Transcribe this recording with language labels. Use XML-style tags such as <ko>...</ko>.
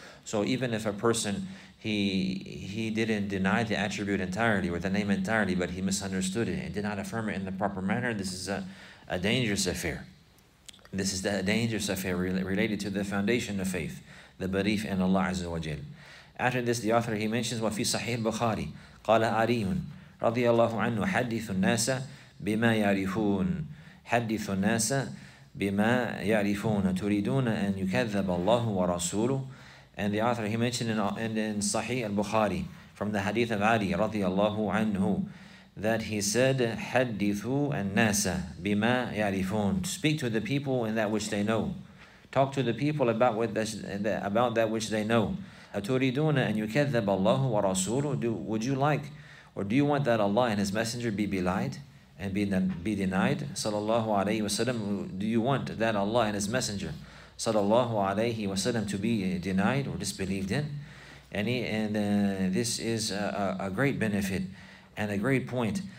<en>So even if a person, he didn't deny the attribute entirely, or the name entirely, but he misunderstood it and did not affirm it in the proper manner, this is a dangerous affair. This is a dangerous affair related to the foundation of faith, the belief in Allah Azza wa Jal. After this, the author, he mentions,</en> <ar>وَفِي صَحِيحِ الْبُخَارِي قال علي رضي الله عنه حدث الناس بما يعرفون حدث الناس بما يعرفون تريدون أن يكذب الله ورسوله.</ar> <en>And the author, he mentioned in Sahih al-Bukhari from the hadith of Ali رضي الله عنه that he said</en> <ar>حدثوا الناس بما يعرفون,</ar> <en>speak to the people in that which they know, talk to the people about that which they know.</en> <ar>أتريدون أن يكذب الله ورسوله.</ar> <en>Would you like, or do you want that Allah and His Messenger be belied and be denied?</en> <ar>صلى الله عليه وسلم.</ar> <en>Do you want that Allah and His Messenger, صلى الله عليه وسلم, to be denied or disbelieved in? And this is a great benefit and a great point.</en>